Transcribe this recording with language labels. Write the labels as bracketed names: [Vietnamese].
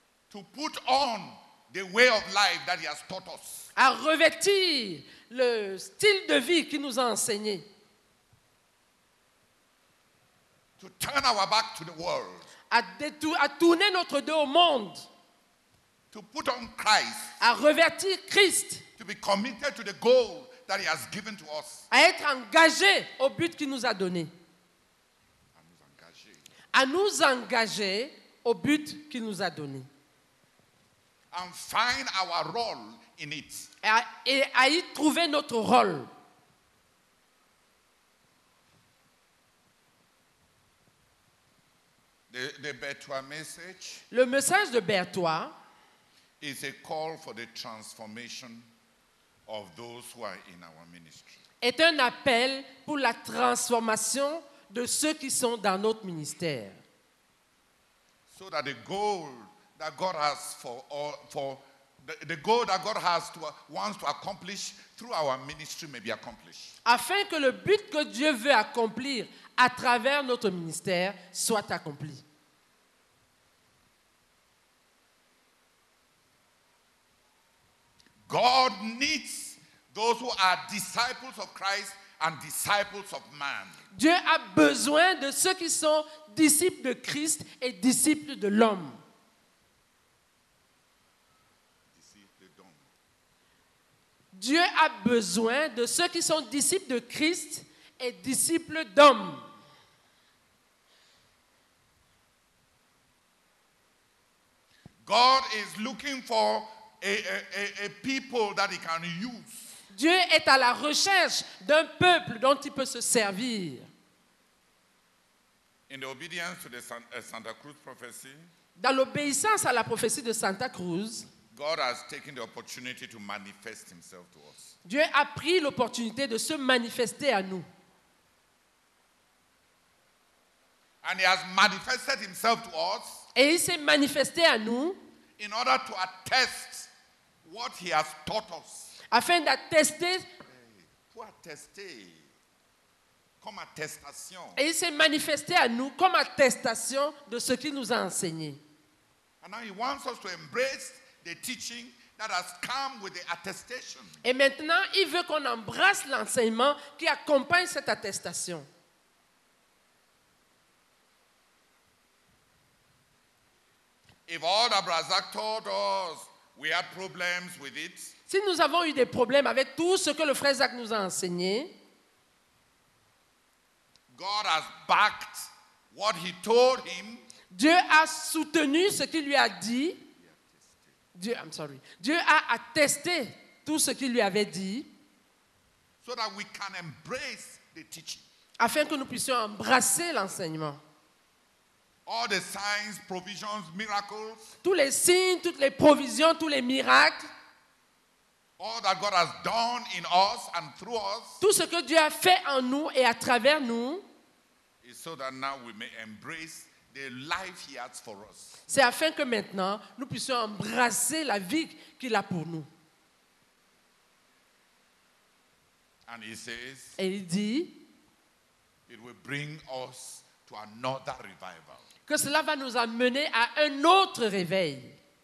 [English] To put on the way of life that he has taught us. [French] À revêtir le style de vie qu'il nous a enseigné. [English] To turn our back to the world. [French] À tourner notre dos au monde. [English] To put on Christ. [French] À revêtir Christ. [English] To be committed to the goal that he has given to us. [French] À être engagé au but qu'il nous a donné. À nous engager. À nous engager au but qu'il nous a donné. [English] And find our role in it. [French] Et à y trouver notre rôle. [English] The Bertois message. [French] Le message de Bertois [English] is a call for the transformation of those who are in our ministry. [French] Est un appel pour la transformation de ceux qui sont dans notre ministère. [English] So that the goal that God has goal that God has wants to accomplish through our ministry may be accomplished. [French] Afin que le but que Dieu veut accomplir à travers notre ministère soit accompli. [English] God needs those who are disciples of Christ and disciples of man. [French] Dieu a besoin de ceux qui sont disciples de Christ et disciples de l'homme. Dieu a besoin de ceux qui sont disciples de Christ et disciples d'hommes. [English] God is looking for a people that he can use. [French] Dieu est à la recherche d'un peuple dont il peut se servir. [English] In the obedience to the Santa Cruz prophecy, [French] dans l'obéissance à la prophétie de Santa Cruz, [English] God has taken the opportunity to manifest himself to us. [French] Dieu a pris l'opportunité de se manifester à nous. [English] And he has manifested himself to us. [French] Et il s'est manifesté à nous. [English] In order to attest what he has taught us. [French] Afin d'attester. Pour attester. Comme attestation. Et il s'est manifesté à nous comme attestation de ce qu'il nous a enseigné. [English] And now he wants us to embrace the teaching that has come with the attestation. [French] Et maintenant, il veut qu'on embrasse l'enseignement qui accompagne cette attestation. [English] If all that Brazak taught us, we had problems with it. [French] Si nous avons eu des problèmes avec tout ce que le frère Zach nous a enseigné, [English] God has backed what he told him. [French] Dieu a soutenu ce qu'il lui a dit. Dieu a attesté tout ce qu'il lui avait dit [English] so that we can embrace the teaching. [French] Afin que nous puissions embrasser l'enseignement. [English] All the signs, provisions, miracles, [French] tous les signes, toutes les provisions, tous les miracles, [English] All that God has done in us and through us, [French] tout ce que Dieu a fait en nous et à travers nous, [English] is so that now we may embrace the life He has for us. [French] C'est afin que maintenant nous puissions embrasser la vie qu'il a pour nous. [English] And he says, [French] et il dit, [English] it will bring us to another revival. [French] Que cela va nous amener à un autre réveil.